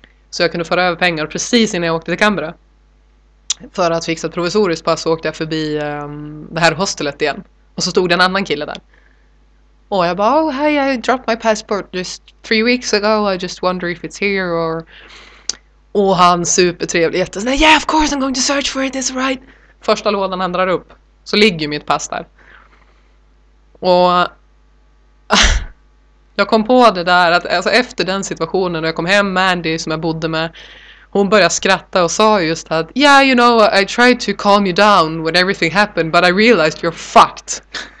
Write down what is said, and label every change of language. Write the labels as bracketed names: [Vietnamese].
[Swedish] Så jag kunde föra över pengar precis innan jag åkte till Canberra. För att fixa ett provisoriskt pass så åkte jag förbi det här hostelet igen. Och så stod det en annan kille där. Och jag bara, [English] oh hey, I dropped my passport just 3 weeks ago. I just wonder if it's here or... [Swedish] Och han supertrevlig, jättesnäll. [English] Yeah, of course I'm going to search for it, it's right. [Swedish] Första lådan han drar upp så ligger mitt pass där. Och jag kom på det där att alltså, efter den situationen när jag kom hem, Mandy som jag bodde med, hon började skratta och sa just att [English] yeah, you know, I tried to calm you down when everything happened, but I realized you're fucked.